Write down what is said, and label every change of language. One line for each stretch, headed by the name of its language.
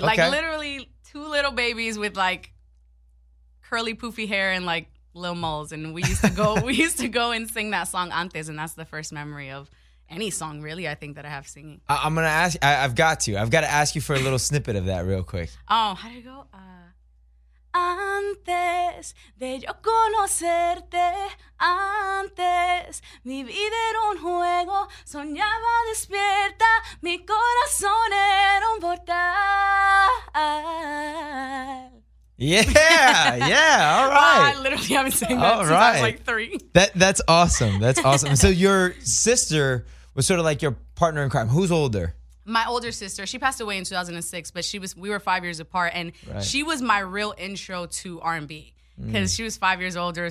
English: Like literally two little babies with like curly poofy hair and like little moles. And we used to go, and sing that song Antes, and that's the first memory of any song really, I think, that I have singing. I'm gonna ask. I've got to ask you for a little snippet of that real quick. Oh, how did it go?
Spanish: Antes de yo conocerte, antes mi vida era un juego, soñaba despierta, mi corazón era un portal.
English: Yeah, all right. I literally haven't seen that since I was like three. That's awesome. That's awesome. So your sister was sort of like your partner in crime. Who's older? My older sister. She passed away in 2006, but we were 5 years apart. And right. She was my real intro to R&B. because she was 5 years older.